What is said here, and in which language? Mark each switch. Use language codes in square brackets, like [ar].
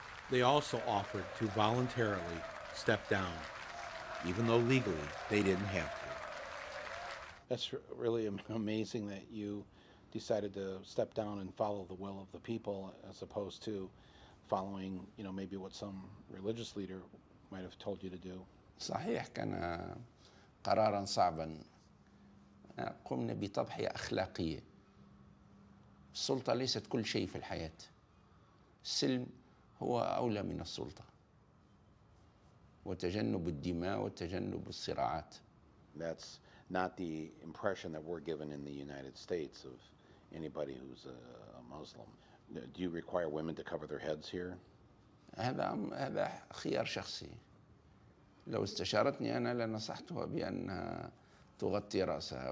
[en] They also offered to voluntarily step down, even though legally they didn't have to. That's really amazing that you decided to step down and follow the will of the people as opposed to following, you know, maybe what some religious leader might have told you to do. [ar] صحيح كان قرارا صعبا قمنا بتضحية أخلاقية. السلطة ليست كل شيء في الحياة. السلم هو أولى من السلطة. وتجنب الدماء وتجنب الصراعات. [en] That's not the impression that we're given in the United States of anybody who's a Muslim. Do you require women to cover their heads here? [ar] هذا خيار شخصي. لو استشارتني أنا لنصحتها بأن تغطي رأسها.